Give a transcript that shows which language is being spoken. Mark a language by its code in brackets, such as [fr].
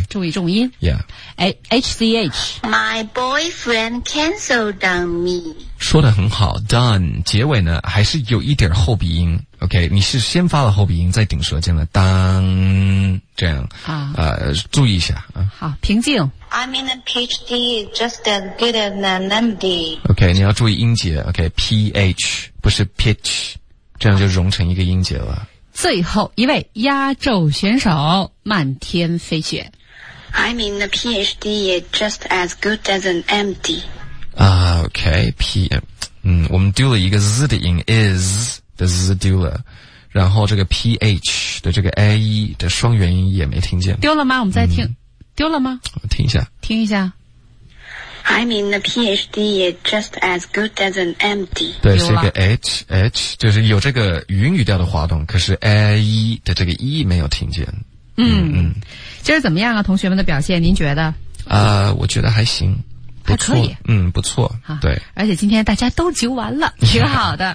[zh] 嗯、注意重音。 [en] Yeah, H-C-H. My boyfriend canceled on me. [zh] 说的很好 ，done 结尾呢还是有一点后鼻音。 Okay, 你是先发了后鼻音，再顶舌尖的当这样啊，注意一下啊。好，平静。 [en] I'm in a PhD, just as good as an MD. [zh] Okay, 你要注意音节。Okay, PH 不是 pitch. 这样就融成一个音节了。最后一位压轴选手漫天飞雪。 [en] I'm in a PhD just as good as an MD. [zh] Okay, PM, 嗯，我们丢了一个 Z 的音 is 的 Z 丢了，然后这个 PH 的这个 AE 的双元音也没听见。丢了吗？我们再听、嗯、丢了吗？我听一下。听一下。 [en] I'm in a PhD just as good as an MD. [zh] 对，是一个 H, 就是有这个云语调的滑动，可是 AE 的这个 E 没有听见。嗯，今儿怎么样啊，同学们的表现，您觉得？我觉得还行。不错，还可以，嗯，不错，对。而且今天大家都揪完了，挺好的。